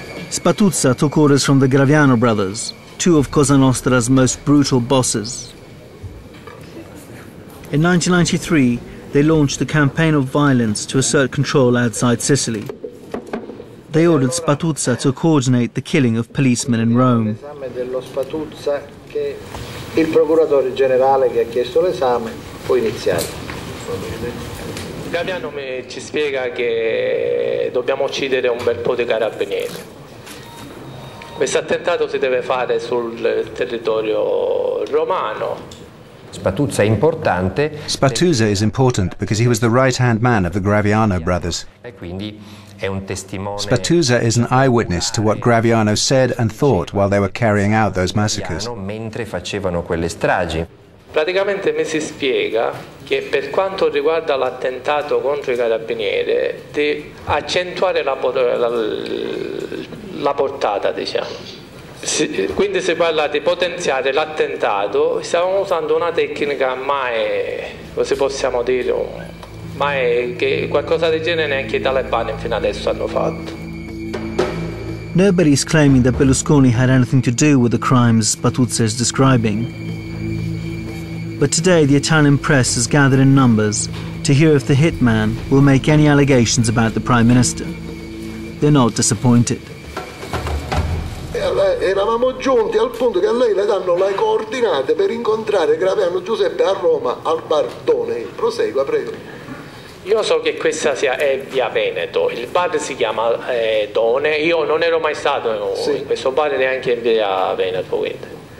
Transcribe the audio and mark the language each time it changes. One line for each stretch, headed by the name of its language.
English: Spatuzza took orders from the Graviano brothers, two of Cosa Nostra's most brutal bosses. In 1993, they launched a campaign of violence to assert control outside Sicily. They ordered Spatuzza to coordinate the killing of policemen in Rome.
Italian: se il procuratore generale che ha chiesto l'esame può iniziare. Gabbiano ci spiega che dobbiamo uccidere un bel po' di carabinieri. Questo attentato si deve fare sul territorio romano. Spatuzza è importante.
English: Spatuzza is important because he was the right-hand man of the Graviano brothers.
Italian: E quindi è un testimone.
English: Spatuzza is an eyewitness to what Graviano said and thought while they were carrying out those massacres.
Italian: Mentre facevano quelle stragi. Praticamente mi si spiega che per quanto riguarda l'attentato contro i carabinieri, di accentuare la portata, diciamo. Quindi si parla di potenziare l'attentato, stavamo usando una tecnica mai, così possiamo dire, mai che qualcosa del genere neanche i talebani fino adesso hanno fatto.
English: Nobody is claiming that Berlusconi had anything to do with the crimes Spatuzza is describing. But today the Italian press has gathered in numbers to hear if the hitman will make any allegations about the Prime Minister. They're not disappointed.
Italian: Eravamo giunti al punto che a lei le danno le coordinate per incontrare Graviano Giuseppe a Roma, al Bardone. Prosegua, prego. Io so che questa è via Veneto, il bar si chiama Done, io non ero mai stato in questo bar neanche in via Veneto, quindi.